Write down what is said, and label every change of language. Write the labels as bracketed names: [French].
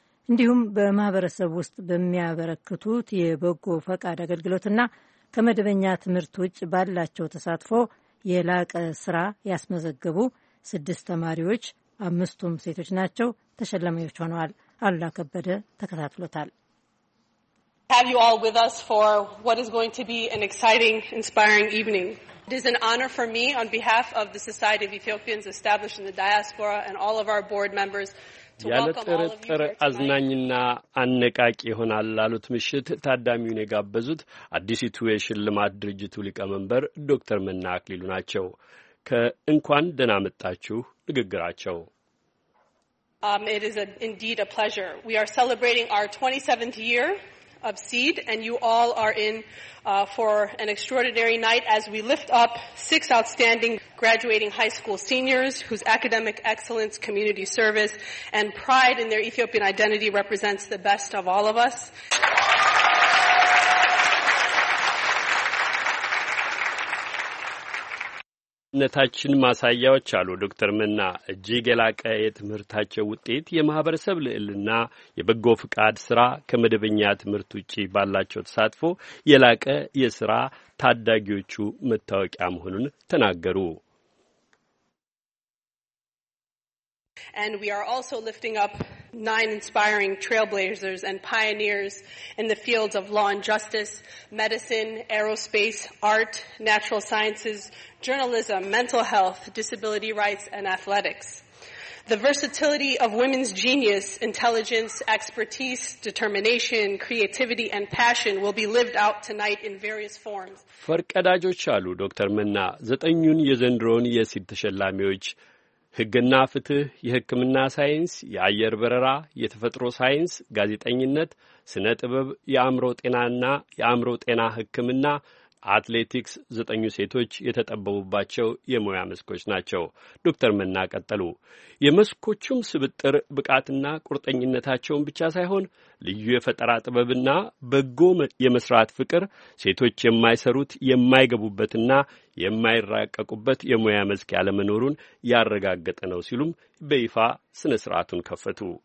[Amharic] እንዲሁም በማህበረሰብ ውስጥ በሚያበረክቱት የበጎ ፈቃድ አገልግሎትና ከመደበኛ ትምህርት ውጭ ባላቸው ተሳትፎ የላቀ ስራ ያስመዘገቡ 6 ተማሪዎች፣ 5ቱም ሴቶች ናቸው፣ ተሸላሚዎች ሆነዋል። አሉላ ከበደ ተከታትሎታል። [English] Have you all with us for what is going to be an exciting, inspiring evening. It is an honor for me on behalf of the Society of Ethiopians established in the diaspora and all of our board members to welcome all of you. [Amharic] አዝናኝና አነቃቂ ይሆናል አሉት ምሽት ታዳሚውን የጋበዙት አዲሲቱ የሽልማት ድርጅቱ ሊቀመንበር ዶክተር መና አክሊሉ ናቸው። ከእንኳን ደህና መጣችሁ ንግግራቸው። [English] It is indeed a pleasure. We are celebrating our 27th year of seed and you all are in for an extraordinary night as we lift up 6 outstanding graduating high school seniors whose academic excellence, community service and pride in their Ethiopian identity represents the best of all of us. [Amharic] ነታችን ማሳያዎች አሉ። ዶክተር መና ጂገላቀ የትምርታቸው ውጤት የማህበረሰብ ልዕልና የበጎ ፍቃድ ስራ ከመደበኛ ትምርት ውጪ ባላቸው ተሳትፎ የላቀ የስራ ታዳጊዎቹ መታወቂያ መሆኑን ተናገሩ። [English] And we are also lifting up 9 inspiring trailblazers and pioneers in the fields of law and justice, medicine, aerospace, art, natural sciences, journalism, mental health, disability rights, and athletics. The versatility of women's genius, intelligence, expertise, determination, creativity, and passion will be lived out tonight in various forms. [Amharic] ፈርቀዳጆች አሉ ዶክተር መና ዘጠኙን የዘንድሮን የሲት ተሸላሚዎች ህግና ፍትህ፣ የህክምና ሳይንስ፣ የአየር በረራ፣ የተፈጥሮ ሳይንስ፣ ጋዜጠኝነት፣ ስነ ጥበብ፣ የአእምሮ ጤናና የአእምሮ ጤና ህክምና፣ አትሌቲክስ ዘጠኙ ሴቶች የተጠበቡባቸው የሙያ መስኮች ናቸው። ዶክተር መና ቀጠሉ። የመስኮቹም ስብጥር ብቃትና ቁርጠኝነታቸውን ብቻ ሳይሆን ልዩ የፈጠራ ጥበብና በጎ የመስራት ፍቅር ሴቶች የማይሰሩት የማይገቡበትና የማይራቀቁበት የሙያ መስክ ያለመኖሩን ያረጋገጠ ነው ሲሉም በይፋ ስነ ስርዓቱን ከፈቱ።